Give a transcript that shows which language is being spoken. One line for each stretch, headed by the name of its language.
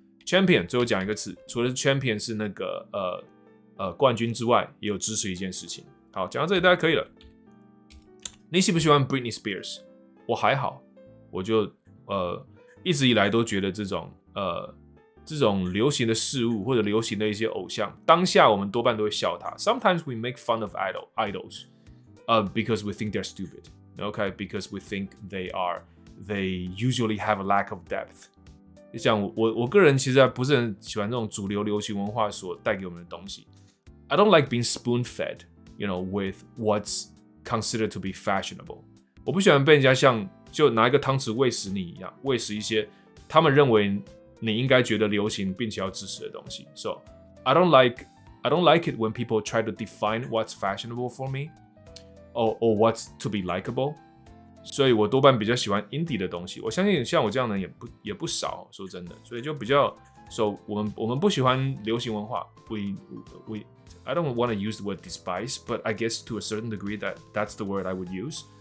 Chinese: Champion 最后讲一个词，除了 champion 是那个冠军之外，也有支持一件事情。好，讲到这里大家可以了。你喜不喜欢 Britney Spears？我还好，我就一直以来都觉得这种流行的事物或者流行的一些偶像，当下我们多半都会笑他。
English: Sometimes we make fun of idols， because we think they're stupid， okay？ Because we think they usually have a lack of depth。
Chinese: 像我个人其实不是很喜欢这种主流流行文化所带给我们的东西。
English: I don't like being spoon-fed, you know, with what's considered to be fashionable.
Chinese: 我不喜欢被人家像就拿一个汤匙喂食你一样，喂食一些他们认为你应该觉得流行并且要支持的东西。
English: So I don't like it when people try to define what's fashionable for me, or what's to be likable.
Chinese: 所以我多半比较喜欢 indie 的东西。我相信像我这样的人也不少，说真的。所以就比较 ，so 我们不喜欢流行文化 ，we。
English: I don't want to use the word despise, but I guess to a certain degree that's the word I would use.